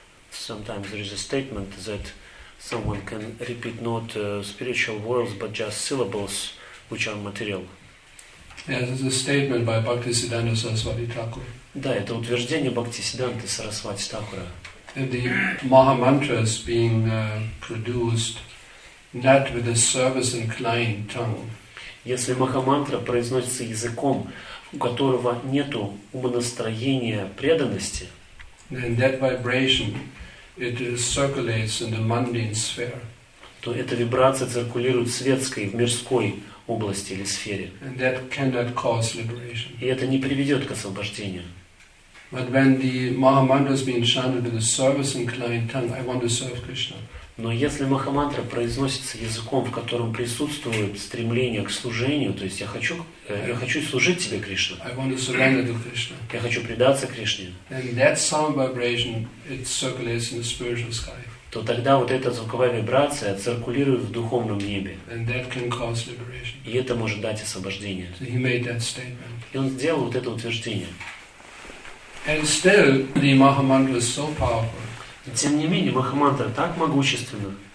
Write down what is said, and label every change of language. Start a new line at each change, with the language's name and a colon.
English: Sometimes there is a statement that someone can repeat not spiritual words but just syllables which are material. Yes, it's a statement by Bhaktisiddhanta Saraswati Thakur.
Russian: Да, это утверждение Бхактисидданты Сарасвати Такура.
English: The Maha mantras being produced not with a service inclined tongue.
Russian: Если махамантра произносится языком, у которого нету умонастроения преданности,
English: then that vibration, it circulates in the mundane sphere.
Russian: То эта вибрация циркулирует в светской, в мирской области или сфере.
English: And that cannot cause liberation.
Russian: И это не приведет к освобождению.
English: But when the mahamantra is being chanted in the service inclined tongue, I want to serve Krishna.
Russian: Но если махамантра произносится языком, в котором присутствует стремление к служению, то есть я хочу служить тебе, Кришна.
English: I want to surrender to Krishna.
Russian: Я хочу предаться Кришне.
English: And that sound vibration, it circulates in the spiritual sky.
Russian: То тогда вот эта звуковая вибрация циркулирует в духовном небе.
English: And that can cause liberation.
Russian: И это может дать освобождение.
English: So he made that statement.
Russian: И он сделал вот это утверждение.
English: And still, the mahamantra is so powerful.
Russian: И тем не менее, махамантра так могущественна.